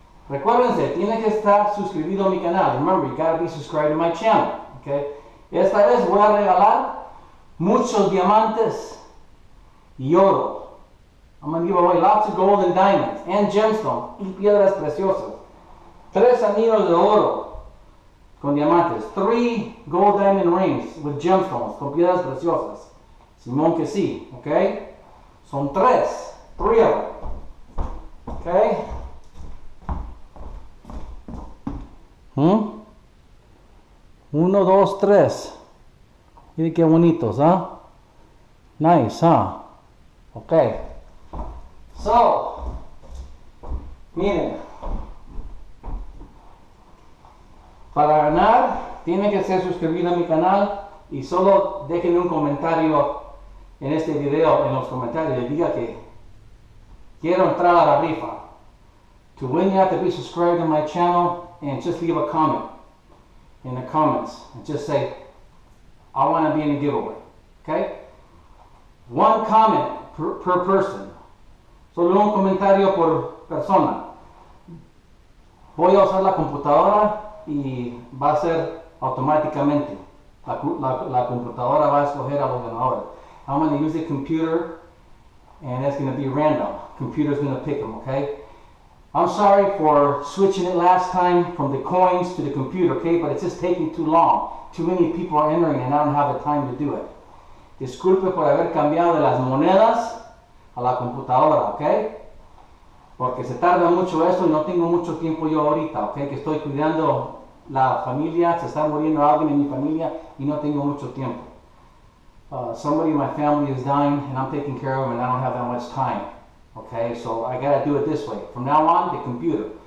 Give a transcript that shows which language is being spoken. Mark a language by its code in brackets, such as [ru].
[es] Recuérdense, tiene que estar suscribido a mi canal. [en] Remember, you gotta be subscribed to my channel, okay? [es] Esta vez voy a regalar muchos diamantes y oro. [en] I'm gonna give away lots of gold and diamonds and gemstones [es] y piedras preciosas. Tres anillos de oro con diamantes. [en] Three gold diamond rings with gemstones, [es] con piedras preciosas. Simón que sí, ok? Son tres. [en] Three of them. [es] Ok? Uno, dos, tres. Mire qué bonitos, ¿ah? Nice, ¿ah? Ok. So, miren, para ganar, tiene que ser suscribido a mi canal y solo déjenme un comentario en este video, en los comentarios, y diga que quiero entrar a la rifa. [en] To win, you have to be subscribed to my channel and just leave a comment in the comments and just say, I want to be in a giveaway, okay? One comment per person. [es] Solo un comentario por persona. Voy a usar la computadora y va a ser automáticamente. La computadora va a escoger al ordenador. [en] I'm going to use the computer and it's going to be random. Computer's going to pick them, okay? I'm sorry for switching it last time from the coins to the computer, okay? But it's just taking too long. Too many people are entering and I don't have the time to do it. [es] Disculpe por haber cambiado de las monedas a la computadora, ok? Porque se tarda mucho esto y no tengo mucho tiempo yo ahorita, ok? Que estoy cuidando la familia, se está muriendo alguien en mi familia y no tengo mucho tiempo. [en] Somebody in my family is dying and I'm taking care of them and I don't have that much time, ok? So I gotta do it this way. From now on, the computer.